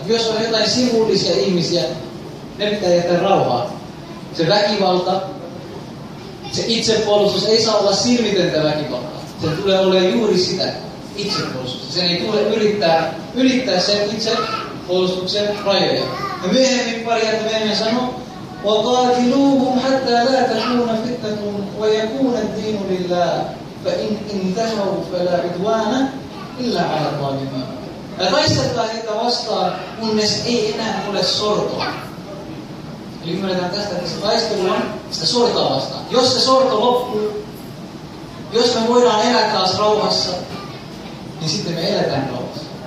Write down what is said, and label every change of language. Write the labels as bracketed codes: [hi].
[fi] Jos on jotain sivullisia ihmisiä, ne pitää jättää rauhaa. Se väkivalta, se itsepuolustus ei saa olla silmitöntä väkivaltaa. Se tulee olemaan juuri sitä itsepuolustusta. Sen ei tule ylittää sen itsepuolustuksen rajoja. Ja myöhemmin pari jättä meidän sanoo, [ar] وَقَاتِلُوهُمْ حَتَّى لَا تَكُونَ فِتْنَةٌ وَيَكُونَ الدِّينُ لِلَّهِ فَإِنْ انْتَهَوْا فَلَا عُدْوَانَ إِلَّا عَلَى الظَّالِمِينَ. [fi] Ja taistetaan heitä vastaan, kunnes ei enää ole sortoa. Eli ymmärretään tästä, että se taistelu on sitä sortoa vastaan. Jos se sorto loppuu, jos me voidaan elää taas rauhassa, niin sitten me eletään rauhassa.